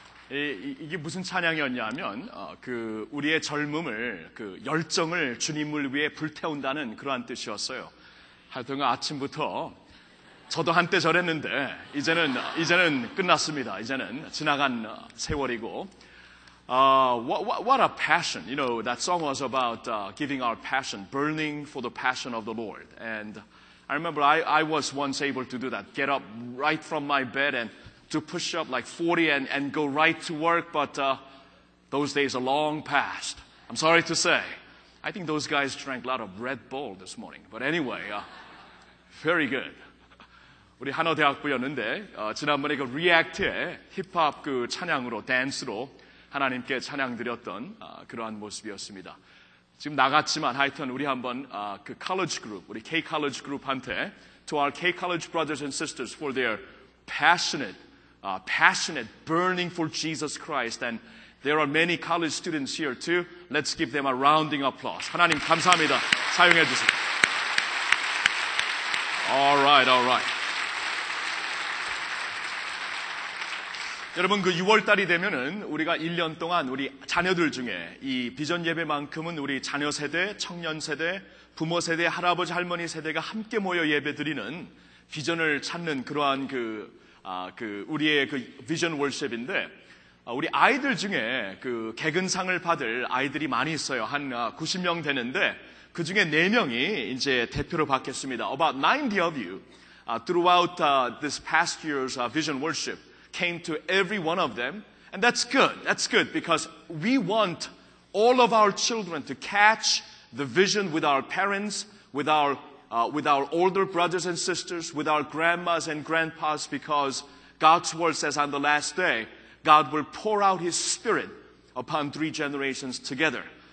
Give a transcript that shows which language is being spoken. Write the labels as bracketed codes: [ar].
[ko] 이게 무슨 찬양이었냐면 그 우리의 젊음을 그 열정을 주님을 위해 불태운다는 그러한 뜻이었어요. 하여튼 아침부터 저도 한때 저랬는데 이제는 끝났습니다. 이제는 지나간 세월이고 [en] What a passion. You know, that song was about giving our passion, burning for the passion of the Lord. And I remember I was once able to do that, get up right from my bed and to push up like 40 and go right to work. But those days are long past. I'm sorry to say. I think those guys drank a lot of Red Bull this morning. But anyway, very good. [ko] 우리 한어대학부였는데 지난번에 그 리액트에 힙합 그 찬양으로 댄스로 하나님께 찬양드렸던 그러한 모습이었습니다. 지금 나갔지만 하여튼 우리 한번 그 college group, 우리 K college group한테 [en] to our K college brothers and sisters for their passionate burning for Jesus Christ. And there are many college students here too. Let's give them a rounding applause. [ko] 하나님 감사합니다. 사용해 주세요. [en] All right. [ko] 여러분 그 6월 달이 되면은 우리가 1년 동안 우리 자녀들 중에 이 비전 예배만큼은 우리 자녀 세대, 청년 세대, 부모 세대, 할아버지 할머니 세대가 함께 모여 예배드리는 비전을 찾는 그러한 그 우리의 그 비전 월십인데 우리 아이들 중에 그 개근상을 받을 아이들이 많이 있어요. 한 90명 되는데 그 중에 4명이 이제 대표로 받겠습니다. [en] About 90 of you throughout this past year's vision worship came to every one of them. And that's good. That's good because we want all of our children to catch the vision with our parents, with our older brothers and sisters, with our grandmas and grandpas because God's word says on the last day, God will pour out his spirit upon three generations together.